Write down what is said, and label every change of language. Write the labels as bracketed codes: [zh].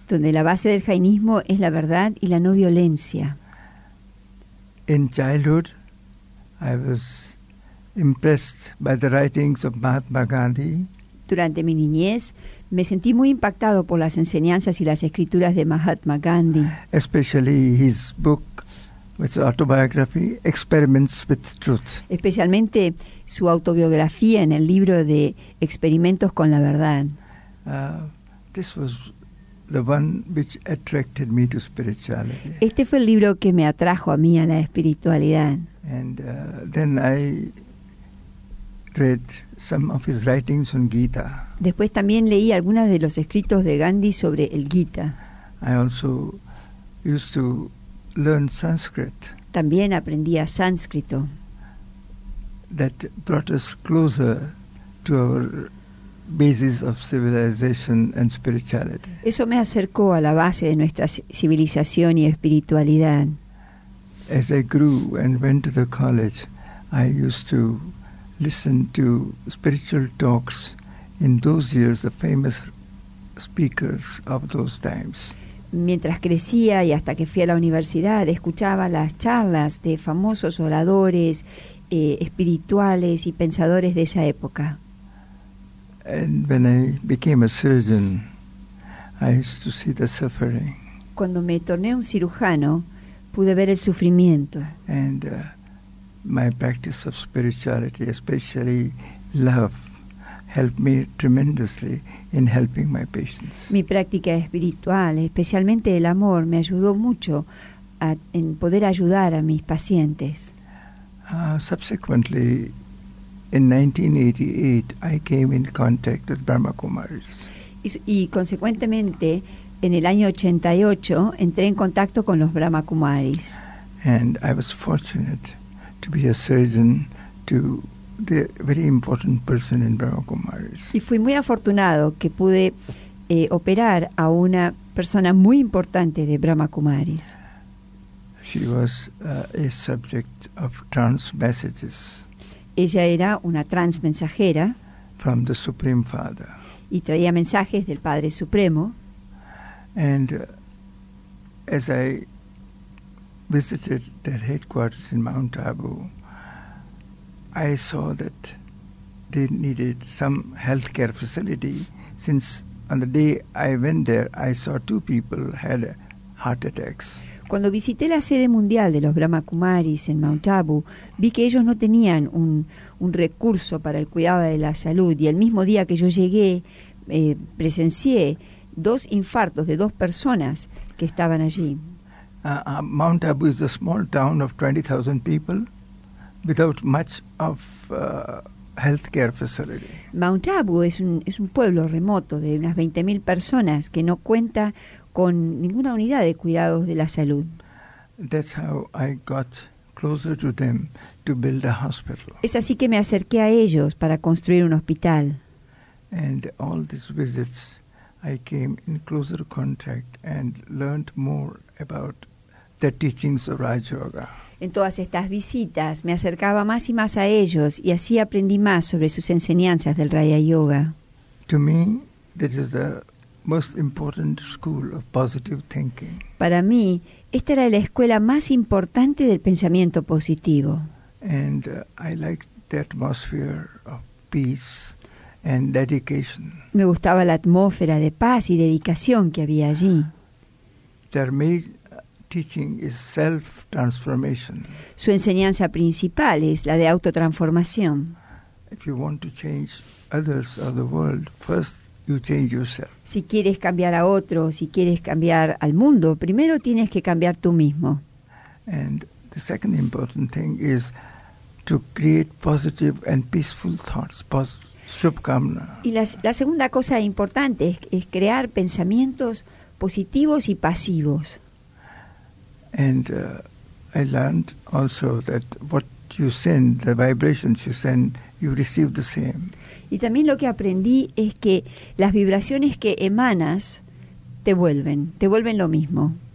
[es] Donde la base del jainismo es la verdad y la no violencia. [en] In childhood, I was impressed by the writings of Mahatma Gandhi. [es] Durante mi niñez, me sentí muy impactado por las enseñanzas y las escrituras de Mahatma Gandhi. [en] Especially his book, his autobiography, Experiments with Truth. [es] Especialmente su autobiografía en el libro de Experimentos con la Verdad. [en] This was the one which attracted me to spirituality. [es] Este fue el libro que me atrajo a mí a la espiritualidad. [en] And then I read some of his writings on Gita. [es] Después también leí algunos de los escritos de Gandhi sobre el Gita. [en] I also used to learn Sanskrit. [es] También aprendía sánscrito. [en] That brought us closer to our basis of civilization and spirituality. [es] Eso me acercó a la base de nuestra civilización y espiritualidad. [en] As I grew and went to the college, I used to listen to spiritual talks in those years, the famous speakers of those times. [es] Mientras crecía y hasta que fui a la universidad, escuchaba las charlas de famosos oradores espirituales y pensadores de esa época. [en] And when I became a surgeon, I used to see the suffering. [es] Cuando me torné un cirujano, pude ver el sufrimiento. [en] And my practice of spirituality, especially love, helped me tremendously in helping my patients. [es] Mi práctica espiritual, especialmente el amor, me ayudó mucho en poder ayudar a mis pacientes. [en] Subsequently, in 1988, I came in contact with Brahma Kumaris. [es] Y consecuentemente, en el año 88, entré en contacto con los Brahma Kumaris. [en] And I was fortunate to be a surgeon to the very important person in Brahma Kumaris. [es] Y fui muy afortunado que pude operar a una persona muy importante de Brahma Kumaris. [en] She was a subject of trance messages. [es] Ella era una transmensajera [en] from the Supreme Father. [es] Y traía mensajes del Padre Supremo. [en] And as I visited their headquarters in Mount Abu, I saw that they needed some healthcare facility, since on the day I went there, I saw two people had heart attacks. [es] Cuando visité la sede mundial de los Brahma Kumaris en Mount Abu, vi que ellos no tenían un recurso para el cuidado de la salud. Y el mismo día que yo llegué, presencié dos infartos de dos personas que estaban allí. [en] Mount Abu is a small town of 20,000 people without much of healthcare facility. [es] Mount Abu es un pueblo remoto de unas 20,000 personas que no cuenta con ninguna unidad de cuidados de la salud. [en] That's how I got closer to them to build a hospital. [es] Es así que me acerqué a ellos para construir un hospital. [en] And all these visits I came in closer contact and learned more about the teachings of Raja Yoga. [es] En todas estas visitas me acercaba más y más a ellos y así aprendí más sobre sus enseñanzas del Raya Yoga. [en] To me, this is the most important school of positive thinking. [es] Para mí, esta era la escuela más importante del pensamiento positivo. [en] And I liked the atmosphere of peace and dedication. [es] Me gustaba la atmósfera de paz y dedicación que había allí. [en] Teaching is self-transformation. [es] Su enseñanza principal es la de autotransformación. [en] If you want to change others or the world, first you change yourself. [es] Si quieres cambiar a otros, si quieres cambiar al mundo, primero tienes que cambiar tú mismo. [en] And the second important thing is to create positive and peaceful thoughts, shubhkamna. [es] Y la segunda cosa importante es crear pensamientos positivos y pasivos. [en] And I learned also that what you send, the vibrations you send, you receive the same. [es] Y también lo que aprendí es que las vibraciones que emanas te vuelven lo mismo.